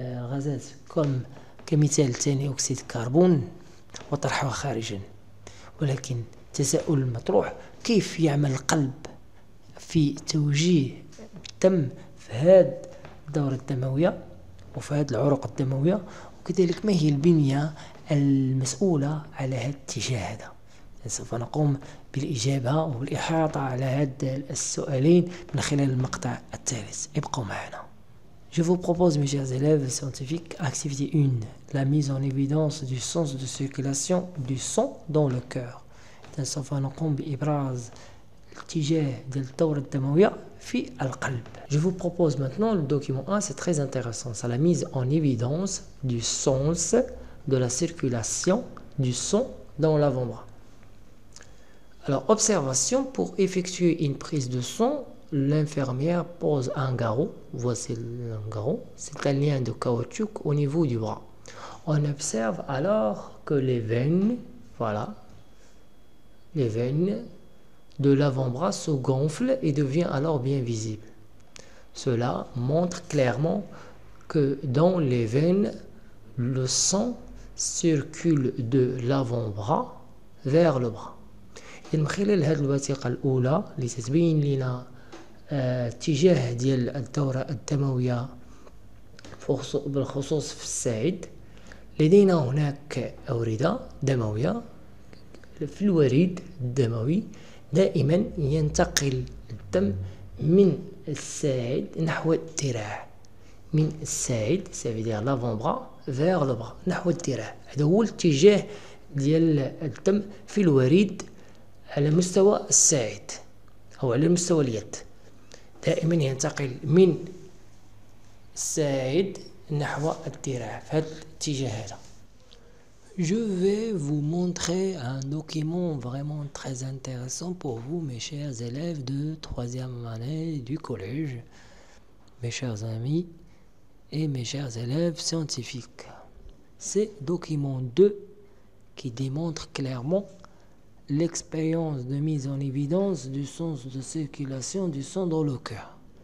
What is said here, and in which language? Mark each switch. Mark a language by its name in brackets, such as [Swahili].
[Arabic] غازات كمثال ثاني أكسيد الكربون وطرحها خارجا ولكن تساؤل المطروح كيف يعمل القلب في توجيه الدم في هذه الدورة الدموية وفي هذه العروق الدموية وكذلك ما هي البنية المسؤولة على هذا الاتجاه هذا سوف نقوم بالإجابة والإحاطة على هذا السؤالين من خلال المقطع الثالث ابقوا معنا [French] Je vous propose mes chers élèves scientifiques activité 1 la mise en évidence du sens de circulation du sang dans le cœur [Arabic] سوف نقوم بإبراز اتجاه الدورة الدموية في القلب. [French] Je vous propose maintenant le document 1, c'est très intéressant. C'est la mise en évidence du sens de la circulation du sang dans l'avant-bras. Alors, observation, pour effectuer une prise de sang, l'infirmière pose un garrot. Voici un garrot. C'est un lien de caoutchouc au niveau du bras. On observe alors que les veines, voilà, les veines de l'avant-bras se gonflent et deviennent alors bien visibles. Cela montre clairement que dans les veines, le sang circule de l'avant-bras vers le bras. [Arabic] من خلال هذه الوثيقة الأولى اللي تتبين لنا اتجاه ديال الدورة الدموية بالخصوص في الساعد، لدينا هناك أوردة دموية في الوريد الدموي. دائما ينتقل الدم من الساعد نحو الذراع، من الساعد [French] سافيدير لافون برا فيغ لو برا [Arabic] نحو الذراع. هذا هو الاتجاه ديال الدم في الوريد على مستوى الساعد أو على مستوى اليد. دائما ينتقل من الساعد نحو الذراع في هذا الاتجاه هذا. [French] Je vais vous montrer un document vraiment très intéressant pour vous, mes chers élèves de 3e année du collège, mes chers amis et mes chers élèves scientifiques. C'est document 2 qui démontre clairement l'expérience de mise en évidence du sens de circulation du sang dans le cœur.